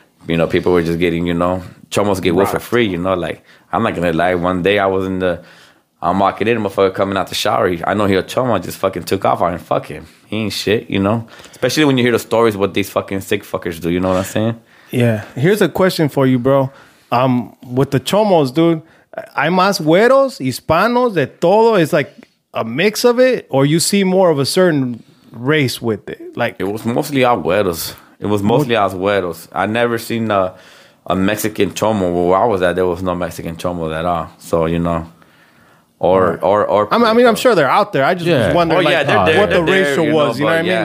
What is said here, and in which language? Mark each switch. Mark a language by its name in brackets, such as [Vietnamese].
[English] you know, people were just getting, you know, chomos get wood for free, you know. Like, I'm not gonna lie, one day I was in the, I'm walking in, a motherfucker coming out the shower. I know he a chomo, just fucking took off. I didn't fuck him. He ain't shit, you know? Especially when you hear the stories what these fucking sick fuckers do, you know what I'm saying? Yeah. Here's a question for you, bro. With the chomos, dude, [Spanish] hay más güeros, hispanos, de todo? [English] It's like a mix of it? Or you see more of a certain race with it? Like, it was mostly all güeros. It was mostly all güeros. I never seen a Mexican chomo. Where I was at, there was no Mexican chomo at all. So, you know. Or I mean, I'm sure they're out there. I just wonder what the ratio was, you know what I mean?